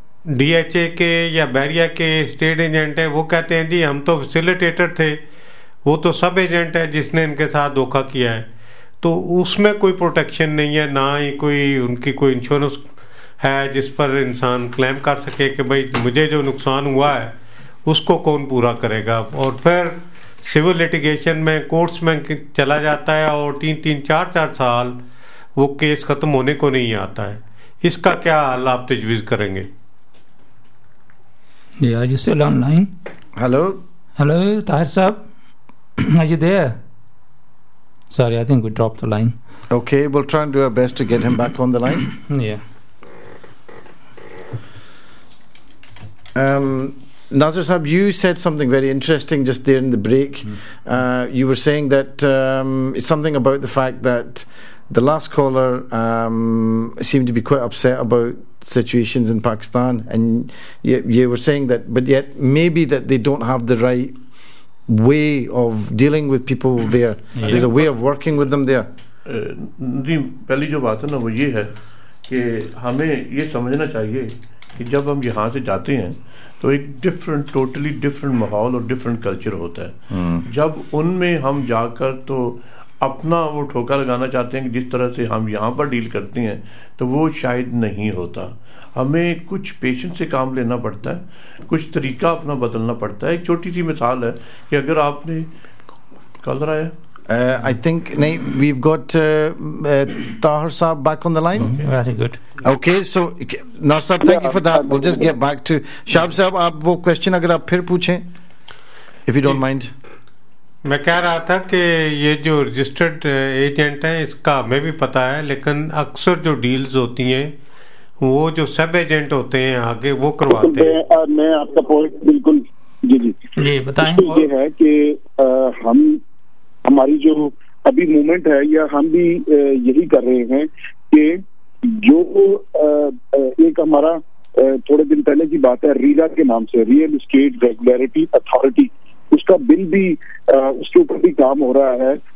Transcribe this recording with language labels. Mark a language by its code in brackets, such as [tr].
[hi] DHA के या बैरिया के स्टेट एजेंट है वो कहते हैं जी हम तो फैसिलिटेटर थे, वो तो सब एजेंट है जिसने इनके साथ धोखा किया है, तो उसमें कोई प्रोटेक्शन नहीं है, ना ही कोई उनकी कोई इंश्योरेंस है जिस पर इंसान क्लेम कर सके कि भाई मुझे जो नुकसान हुआ है उसको कौन पूरा करेगा, और फिर सिविल लिटिगेशन में कोर्ट्स में चला जाता है और 3-4 साल वो केस ख़त्म होने को नहीं आता है, इसका क्या हल आप तजवीज़ करेंगे? जी आज से ऑनलाइन। [en] Hello hello Tahir sahab, आज दे sorry I think we drop the line. Okay we try to our best to get him back on the line. या Nazir Saab, you said something very interesting just there in the break. You were saying that it's something about the fact that the last caller seemed to be quite upset about situations in Pakistan, and you were saying that, but yet maybe that they don't have the right way of dealing with people there. Yeah. There's a way of working with them there. The first thing is that we need to understand that when we go from here, there is a different, totally different environment and different culture. When we go there, we [hi] अपना वो ठोका लगाना चाहते हैं कि जिस तरह से हम यहाँ पर डील करते हैं तो वो शायद नहीं होता, हमें कुछ पेशेंट से काम लेना पड़ता है, कुछ तरीका अपना बदलना पड़ता है। एक छोटी सी मिसाल है कि अगर आपने कलर आया [en] I think we've got Tahir Saab back on the line. Okay, very good. Okay, so Nasir Saab, thank you for that. We'll just get back to Shahab Saab. [hi] Aap wo question agar aap phir poochein, [en] if you don't mind. [hi] मैं कह रहा था कि ये जो registered agent हैं इसका हमें भी पता है, लेकिन अक्सर जो डील्स होती हैं वो जो सब एजेंट होते हैं आगे वो करवाते हैं। मैं आपका पॉइंट बिल्कुल जी बताएं। ये है कि हम हमारी जो अभी मूवमेंट है या हम भी यही कर रहे हैं कि जो एक हमारा थोड़े दिन पहले की बात है रीरा के नाम से रियल एस्टेट रेगुलेटरी अथॉरिटी, उसका बिल भी उसके ऊपर भी काम हो रहा है।